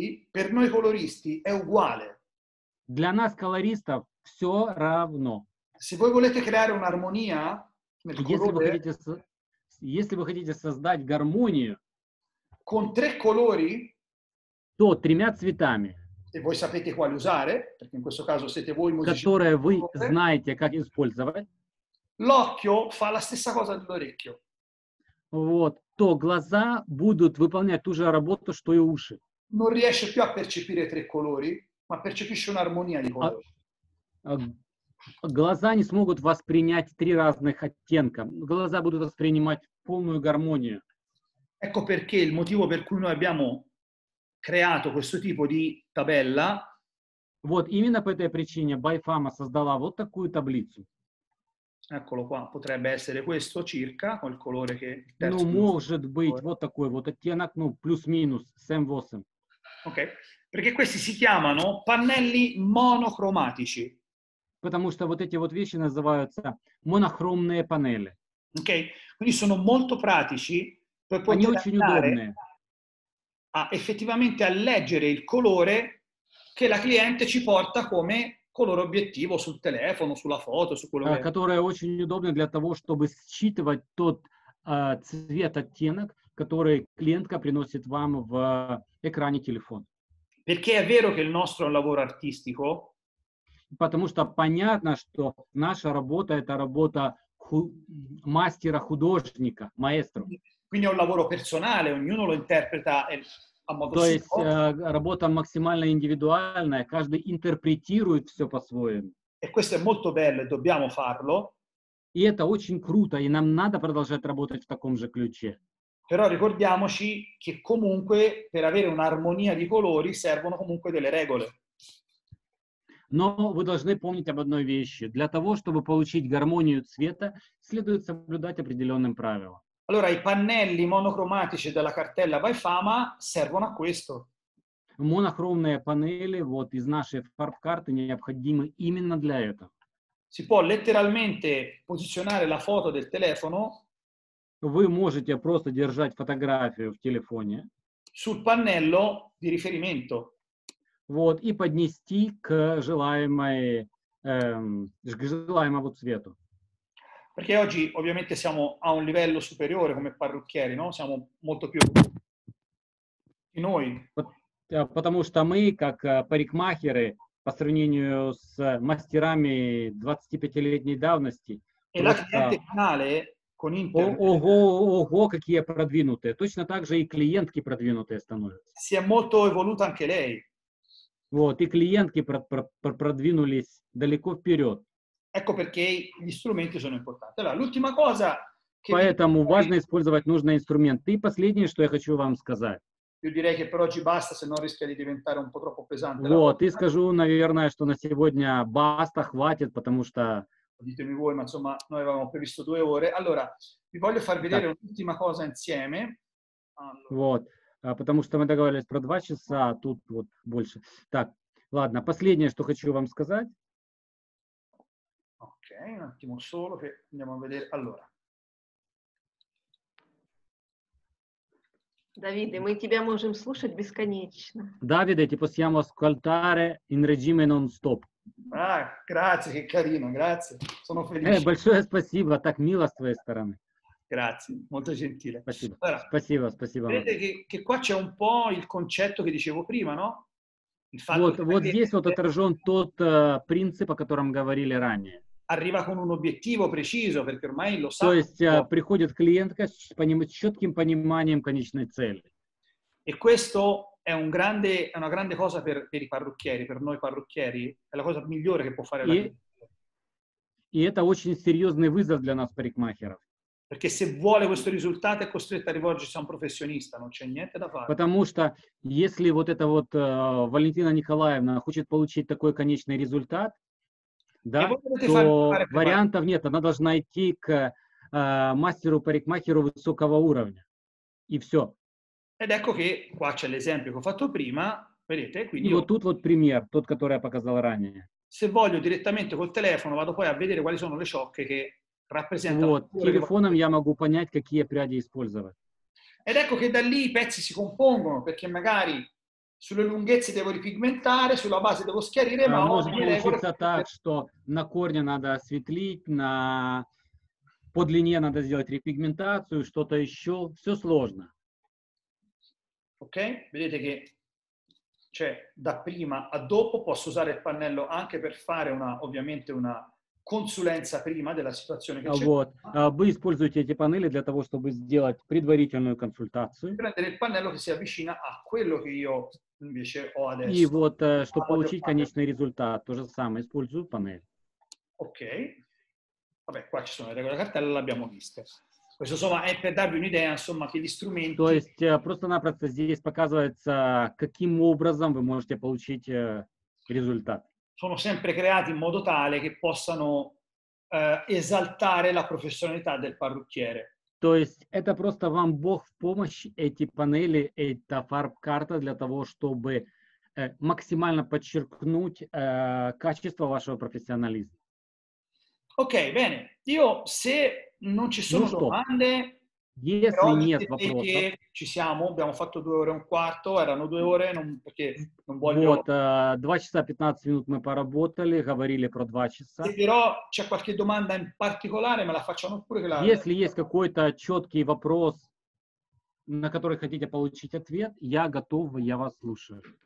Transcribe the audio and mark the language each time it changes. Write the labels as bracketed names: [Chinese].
[Italian] Per noi coloristi è uguale. [Russian] Для нас колористов все равно. [Italian] Se voi volete creare un'armonia nel colore, [Russian] если вы хотите создать гармонию [Italian] con tre colori, [Russian] то тремя цветами, [Italian] e voi sapete quali usare, perché in questo caso siete voi musicisti, [Russian] которые вы знаете как использовать, [Italian] l'occhio fa la stessa cosa dell'orecchio. [Russian] Вот, то глаза будут выполнять ту же работу, что и уши. [Italian] Non riesce più a percepire tre colori, ma percepisce un'armonia di colori. [Russian] Глаза не смогут воспринять три разных оттенка. Глаза будут воспринимать полную гармонию. [Italian] Ecco perché il motivo per cui noi abbiamo creato questo tipo di tabella. [Russian] Вот именно по этой причине Байфама создала вот такую таблицу. [Italian] Eccolo qua, potrebbe essere questo circa, col colore che... [Russian] Ну, может быть, вот такой вот оттенок, ну, плюс-минус, 7-8. [Italian] Ok, perché questi si chiamano pannelli monocromatici. [Russian] Потому что вот эти вот вещи называются монохромные панели. Окей. [Italian] Quindi sono molto pratici per poter [Russian] очень удобные. [Italian] А effettivamente a leggere il colore che la cliente ci porta come colore obiettivo sul telefono, sulla foto, su quello. [Russian] Которые очень удобны для того, чтобы считывать тот цвет оттенок, который клиентка приносит вам в экране телефона. [Italian] Perché è vero che il nostro lavoro artistico, [Russian] потому что понятно, что наша работа – это работа мастера-художника, маэстро. [Italian] Quindi è un lavoro personale, ognuno lo interpreta a modo suo. [Russian] То есть работа максимально индивидуальная, каждый интерпретирует все по-своему. [Italian] E questo è molto bello, dobbiamo farlo. [Russian] И это очень круто, и нам надо продолжать работать в таком же ключе. [Italian] Però ricordiamoci che comunque per avere un'armonia di colori servono comunque delle regole. [Russian] Но вы должны помнить об одной вещи. Для того, чтобы получить гармонию цвета, следует соблюдать определенным правилам. [Italian] Allora, i pannelli monocromatici della cartella Байфама servono a questo. [Russian] Монохромные панели вот из нашей фарб-карты необходимы именно для этого. [Italian] Si può letteralmente posizionare la foto del telefono. [Russian] Вы можете просто держать фотографию в телефоне. [Italian] Sul pannello di riferimento. [Russian] Вот, и поднести к желаемой, к желаемому цвету. [Italian] Perché oggi ovviamente siamo a un livello superiore come parrucchieri, no? Siamo molto più di noi. [Russian] Потому что мы, как парикмахеры, по сравнению с мастерами 25-летней давности, [Italian] e la cliente finale con internet. [Russian] Ого, какие продвинутые. Точно так же и клиентки продвинутые становятся. [Italian] Si è molto evoluta anche lei. [Russian] Вот, и клиентки продвинулись далеко вперед. [Italian] Ecco perché gli strumenti sono importanti. Allora, l'ultima cosa che... [Russian] Поэтому важно использовать нужные инструменты. И последнее, что я хочу вам сказать. [Italian] Io direi che per oggi basta, se no rischia di diventare un po' troppo pesante. [Russian] Вот, и скажу, наверное, что на сегодня [Italian] basta, [Russian] хватит, потому что... [Italian] Ditemi voi, ma insomma, noi avevamo previsto due ore. Allora, vi voglio far vedere un'ultima cosa insieme. Allora. [Russian] Вот, потому что мы договорились про два часа, тут вот больше. Так, ладно, последнее, что хочу вам сказать. [Italian] Ok, un attimo solo che andiamo a vedere. Allora. Davide, noi ti possiamo ascoltare [Russian] бесконечно. [Italian] Davide, ti possiamo ascoltare in regime non stop. Ah, grazie, che carino, grazie. Sono felice. [Russian] Большое спасибо, так мило с твоей стороны. [Italian] Grazie, molto gentile. [Russian] Спасибо, [Italian] allora, [Russian] спасибо, спасибо. [Italian] Vedete che qua c'è un po' il concetto che dicevo prima, no? [Russian] Вот, вот здесь вот отражен тот принцип, о котором говорили ранее. [Italian] Arriva con un obiettivo preciso, perché ormai lo sa. [Russian] То есть приходит клиентка с четким пониманием конечной цели. [Italian] E questo è un grande, è una grande cosa per i parrucchieri, per noi parrucchieri, è la cosa migliore che può fare. [Russian] И это очень серьезный вызов для нас парикмахеров. [Italian] Perché se vuole questo risultato è costretto a rivolgersi a un professionista, non c'è niente da fare. [Russian] Потому что если вот эта вот Валентина Николаевна хочет получить такой конечный результат, да, то вариантов нет, она должна идти к мастеру-парикмахеру высокого уровня. И все. [Italian] Ed ecco che qua c'è l'esempio che ho fatto prima, vedete, quindi [Russian] вот тут вот пример, тот, который я показал ранее. [Italian] Se voglio direttamente col telefono, vado poi a vedere quali sono le ciocche che [Russian] вот, телефоном я могу понять, какие пряди использовать. [Italian] Ed ecco che da lì i pezzi si compongono, perché magari sulle lunghezze devo ripigmentare, sulla base devo schiarire, ma [Russian] может получиться так, что на корне надо осветлить, на по длине надо сделать репигментацию, что-то еще, все сложно. [Italian] Ok? Vedete che cioè da prima a dopo posso usare il pannello anche per fare una, ovviamente una consulenza prima della situazione che c'è. [Russian] Вот. Вы используете эти панели для того, чтобы сделать предварительную консультацию. [Italian] Prendere il pannello che si avvicina a quello che io invece ho adesso. [Russian] И вот, чтобы получить конечный результат, то же самое, использую панель. [Italian] Ok. Vabbè, qua ci sono le regole cartella, l'abbiamo viste. Questo insomma è per darvi un'idea, insomma, che gli strumenti... [Russian] То есть, просто-напросто здесь показывается, каким образом вы можете получить результат. [Italian] Sono sempre creati in modo tale che possano esaltare la professionalità del parrucchiere. [Russian] То есть это просто вам Бог в помощь, эти панели, эта фарб-карта для того, чтобы максимально подчеркнуть качество вашего профессионализма. [Italian] Ok, bene. Io, se non ci sono domande... [Russian] Если нет вопросов. [Italian] Che ci siamo, abbiamo fatto due ore e un quarto, erano due ore, non, perché non voglio... [Russian] Вот, 2 часа 15 минут мы поработали, говорили про 2 часа. [Italian] Se però c'è qualche domanda in particolare, me la facciano pure. [Russian] Если есть какой-то четкий вопрос, на который хотите получить ответ, я готов, я вас слушаю.